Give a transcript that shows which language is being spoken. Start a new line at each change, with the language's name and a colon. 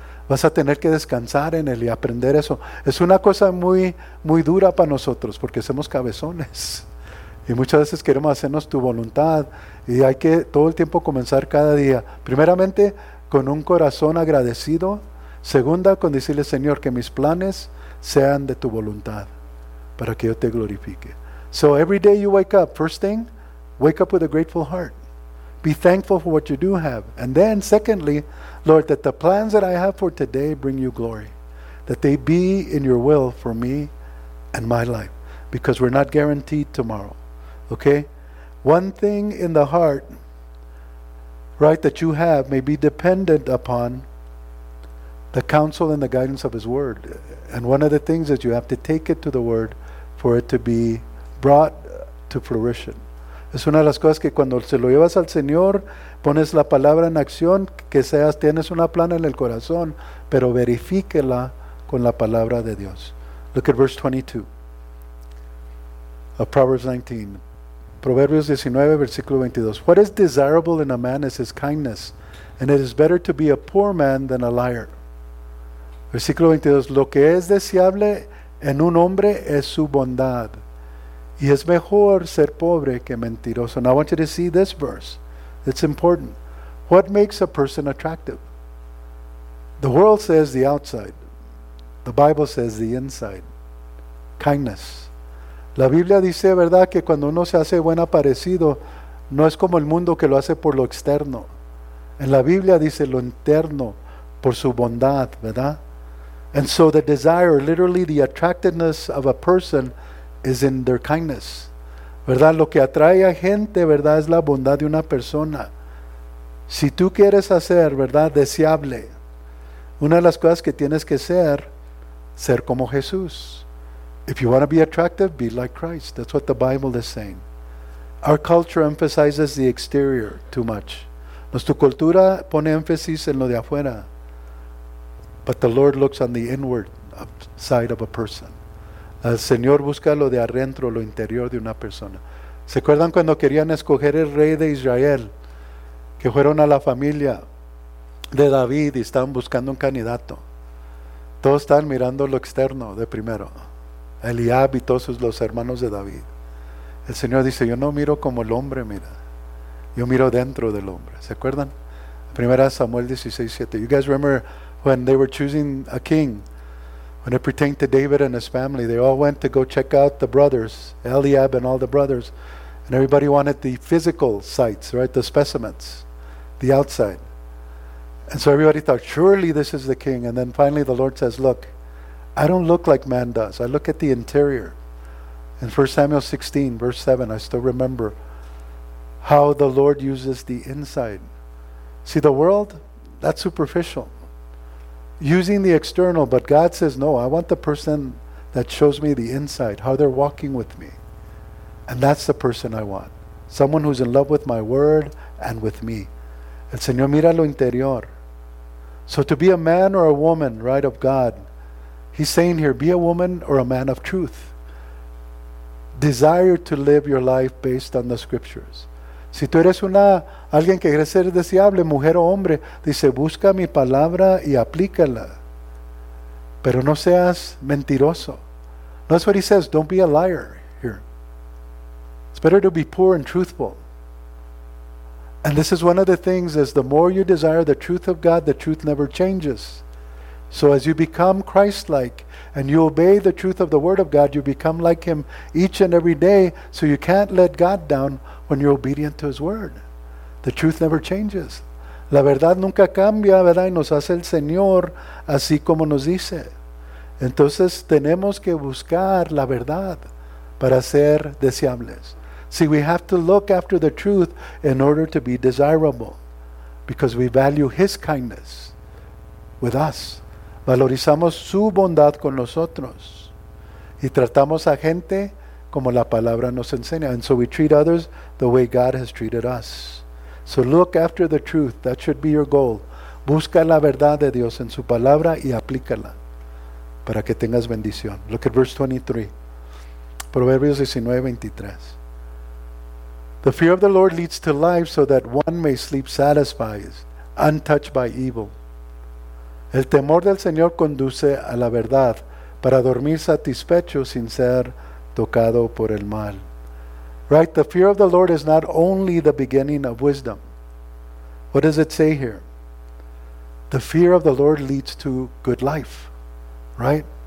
Spanish: Vas a tener que descansar en Él y aprender eso. Es una cosa muy, muy dura para nosotros porque somos cabezones. Y muchas veces queremos hacernos tu voluntad. Y hay que todo el tiempo comenzar cada día. Primeramente, con un corazón agradecido. Segunda, con decirle, Señor, que mis planes sean de tu voluntad para que yo te glorifique.
English: So every day you wake up, first thing, wake up with a grateful heart. Be thankful for what you do have. And then, secondly, Lord, that the plans that I have for today bring you glory. That they be in your will for me and my life. Because we're not guaranteed tomorrow. Okay? One thing in the heart, right, that you have may be dependent upon the counsel and the guidance of His Word. And one of the things is you have to take it to the Word for it to be brought to fruition.
Spanish: Es una de las cosas que cuando se lo llevas al Señor, pones la palabra en acción, que seas, tienes una plan en el corazón, pero verifíquela con la palabra de Dios.
English: Look at verse 22 of Proverbs 19.
Spanish: Proverbios 19, versículo 22.
English: What is desirable in a man is his kindness, and it is better to be a poor man than a liar.
Spanish: Versículo 22. Lo que es deseable en un hombre es su bondad. Y es mejor ser pobre que mentiroso.
English: Now I want you to see this verse. It's important. What makes a person attractive? The world says the outside. The Bible says the inside. Kindness.
Spanish: La Biblia dice, ¿verdad?, que cuando uno se hace buen aparecido, no es como el mundo que lo hace por lo externo. En la Biblia dice lo interno, por su bondad, ¿verdad?
English: And so the desire, literally the attractiveness of a person is in their kindness.
Spanish: ¿Verdad? Lo que atrae a gente, ¿verdad?, es la bondad de una persona. Si tú quieres hacer, ¿verdad?, deseable, una de las cosas que tienes que ser, ser como Jesús.
English: If you want to be attractive, be like Christ. That's what the Bible is saying. Our culture emphasizes the exterior too much.
Spanish: Nuestra cultura pone énfasis en lo de afuera.
English: But the Lord looks on the inward side of a person.
Spanish: El Señor busca lo de adentro, lo interior de una persona. ¿Se acuerdan cuando querían escoger el rey de Israel? Que fueron a la familia de David y estaban buscando un candidato. Todos estaban mirando lo externo de primero. Eliab y todos los hermanos de David. El Señor dice, yo no miro como el hombre, mira. Yo miro dentro del hombre. ¿Se acuerdan? Primera Samuel 16:7.
English: You guys remember when they were choosing a king? When it pertained to David and his family, they all went to go check out the brothers, Eliab and all the brothers, and everybody wanted the physical sights, right? The specimens, the outside. And so everybody thought, surely this is the king. And then finally the Lord says, look, I don't look like man does. I look at the interior. In 1 Samuel 16, verse 7, I still remember how the Lord uses the inside. See, the world, that's superficial. Using the external, but God says, no, I want the person that shows me the inside, how they're walking with me. And that's the person I want. Someone who's in love with my word and with me.
Spanish: El Señor mira lo interior.
English: So to be a man or a woman, right, of God, He's saying here, be a woman or a man of truth. Desire to live your life based on the scriptures.
Spanish: Si tú eres alguien que quiere ser deseable, mujer o hombre, dice, busca mi palabra y aplícala. Pero no seas mentiroso.
English: That's what he says, don't be a liar here. It's better to be poor and truthful. And this is one of the things, is the more you desire the truth of God, the truth never changes. So as you become Christ-like and you obey the truth of the Word of God, you become like Him each and every day, so you can't let God down when you're obedient to His Word. The truth never changes.
Spanish: La verdad nunca cambia, ¿verdad? Y nos hace el Señor así como nos dice. Entonces tenemos que buscar la verdad para ser deseables.
English: See, we have to look after the truth in order to be desirable, because we value His kindness with us.
Spanish: Valorizamos su bondad con nosotros y tratamos a gente como la palabra nos enseña.
English: And so we treat others the way God has treated us. So look after the truth. That should be your goal.
Spanish: Busca la verdad de Dios en su palabra y aplícala para que tengas bendición.
English: Look at verse 23.
Spanish: Proverbios 19:23.
English: The fear of the Lord leads to life so that one may sleep satisfied, untouched by evil.
Spanish: El temor del Señor conduce a la verdad para dormir satisfecho sin ser tocado por el mal.
English: Right, the fear of the Lord is not only the beginning of wisdom. What does it say here? The fear of the Lord leads to good life, right?